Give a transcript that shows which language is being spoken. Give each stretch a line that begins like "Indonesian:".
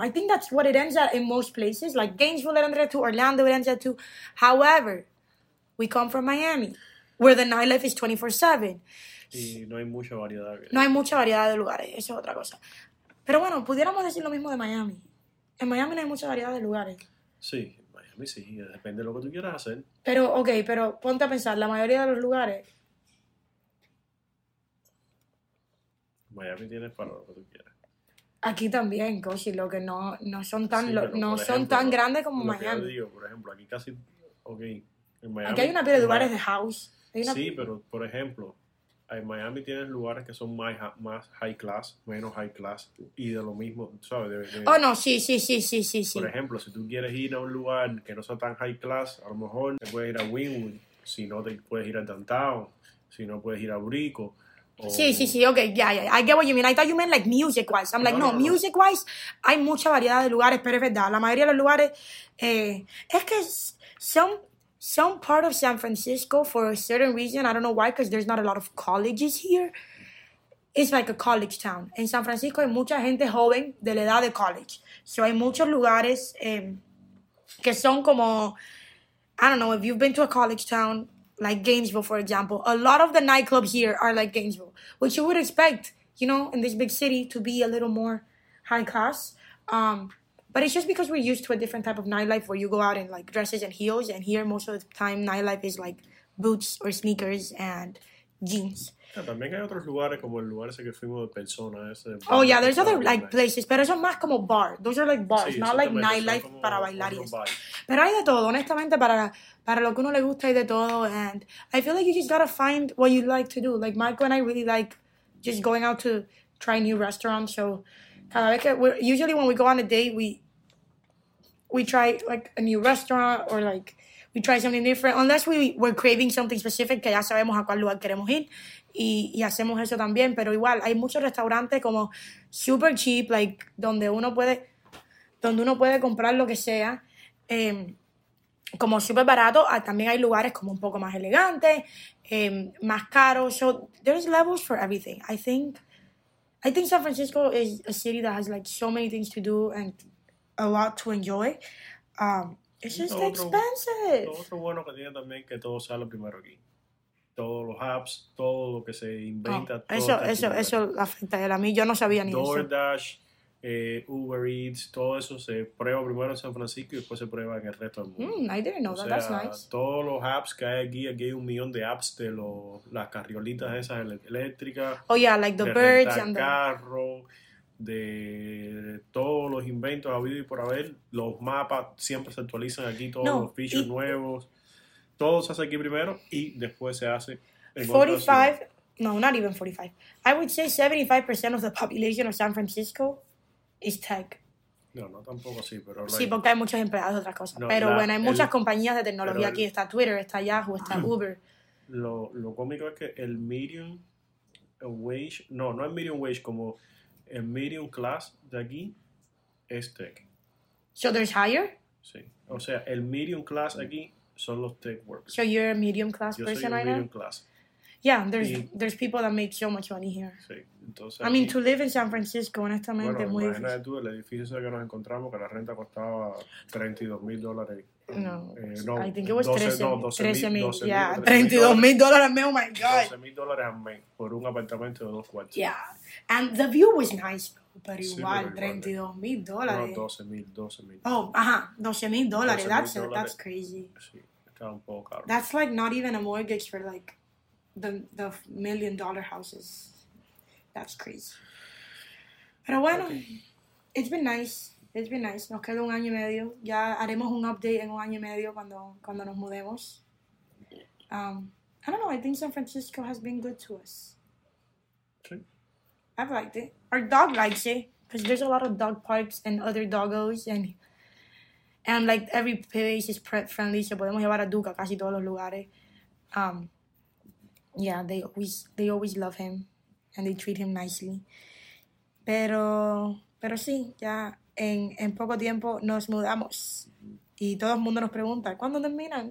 English: I think that's what it ends at in most places. Like Gainesville, it ends at 2. Orlando, it ends at 2. However, we come from Miami, where the nightlife is 24/7.
Spanish: Y no hay mucha variedad. No hay mucha variedad de lugares. Eso es otra cosa. Pero bueno, pudiéramos decir lo mismo de Miami. En Miami no hay mucha variedad de lugares. Sí, en Miami sí. Depende de lo que tú quieras hacer. Pero, ok, pero ponte a pensar. La mayoría de los lugares... Miami tienes para lo que tú quieras. Aquí también, Koshi, lo que no son tan, sí, no ejemplo, son tan grandes como Miami. Lo que yo digo, por ejemplo, aquí casi... Ok, en Miami... Aquí hay una pila de lugares de house. Sí, pero, por ejemplo, en Miami tienes lugares que son más high class, menos high class, y de lo mismo, ¿sabes? Sí. Por ejemplo, si tú quieres ir a un lugar que no sea tan high class, a lo mejor te puedes ir a Wynwood, si no te puedes ir a Downtown, si no puedes ir a Brico...
English: Okay, I get what you mean. I thought you meant like music-wise.
Spanish: No, music-wise, hay mucha variedad de lugares, pero es verdad. La mayoría de los lugares... es que
English: some part of San Francisco, for a certain reason, I don't know why, because there's not a lot of colleges here, it's like a college town.
Spanish: En San Francisco hay mucha gente joven de la edad de college. So hay muchos lugares que son como...
English: I don't know, if you've been to a college town... Like Gainesville, for example. A lot of the nightclubs here are like Gainesville, which you would expect, you know, in this big city to be a little more high class. But it's just because we're used to a different type of nightlife where you go out in like dresses and heels. And here, most of the time, nightlife is like boots or sneakers and jeans. Oh, yeah, there's other like places,
Spanish: pero son más como bar.
English: Those are like bars,
Spanish: sí,
English: not like nightlife
Spanish: como, para bailar. Pero hay de todo, honestamente, para lo que uno le gusta hay de todo.
English: And I feel like you just gotta find what you like to do. Like, Michael and I really like just going out to try new restaurants. So,
Spanish: cada vez que
English: usually when we go on a date, we try like a new restaurant or like we try something different. Unless we're craving something specific,
Spanish: que ya sabemos a cuál lugar queremos ir. Y hacemos eso también, pero igual hay muchos restaurantes como super cheap, like donde uno puede comprar lo que sea, como super barato. También hay lugares como un poco más elegantes, más caros.
English: So there's levels for everything. I think San Francisco is a city that has like so many things to do and a lot to enjoy. It's just
Spanish: lo otro,
English: expensive.
Spanish: Lo otro bueno que tiene también que todo sea lo primero aquí. Todos los apps, todo lo que se inventa. Oh, eso afecta a él. A mí yo no sabía ni DoorDash, eso. DoorDash, Uber Eats, todo eso se prueba primero en San Francisco y después se prueba en el resto del mundo.
English: I didn't know that. That's nice.
Spanish: Todos los apps que hay aquí hay un millón de apps de las carriolitas esas eléctricas.
English: Oh, yeah, like the birds
Spanish: rentar
English: and
Spanish: carro, the... De todos los inventos habido y por haber, los mapas siempre se actualizan aquí, todos los features nuevos. Todo se hace aquí primero y después se hace...
English: 45, no, not even 45. I would say 75% of the population of San Francisco is tech.
Spanish: No, tampoco así, pero... Sí, porque hay muchos empleados de otras cosas. Hay muchas compañías de tecnología aquí. Está Twitter, está Yahoo, está Uber. Lo cómico es que el medium wage... No el medium wage, como el medium class de aquí es tech.
English: So there's higher?
Spanish: Sí. O sea, el medium class aquí... Son los tech workers.
English: So you're a medium class person right now?
Spanish: Yo soy medium class.
English: Yeah, there's people that make so much money here.
Spanish: Sí, entonces...
English: I mean, to live in San Francisco,
Spanish: honestamente, bueno, muy... Bueno, imagínate tú el edificio que nos encontramos, que la renta costaba $32,000
English: No, I think it was 32,000 dollars. Oh my god. $12,000 a month for
Spanish: un apartamento de dos cuartos.
English: Yeah. And the view was nice, but it was $32,000. No, $12,000. Oh, that's crazy. That's like not even a mortgage for like the $1 million houses. That's crazy. But bueno, okay. It's been nice. It's been nice.
Spanish: Nos queda un año y medio. Ya haremos un update en un año y medio cuando nos mudemos.
English: I don't know. I think San Francisco has been good to us. Okay. I've liked it. Our dog likes it. Because there's a lot of dog parks and other doggos. And like every place is pet friendly.
Spanish: So podemos llevar a Duke a casi todos los lugares.
English: Yeah, they always love him. And they treat him nicely.
Spanish: Pero sí, ya... En poco tiempo nos mudamos. Y todo el mundo nos pregunta, ¿cuándo terminan?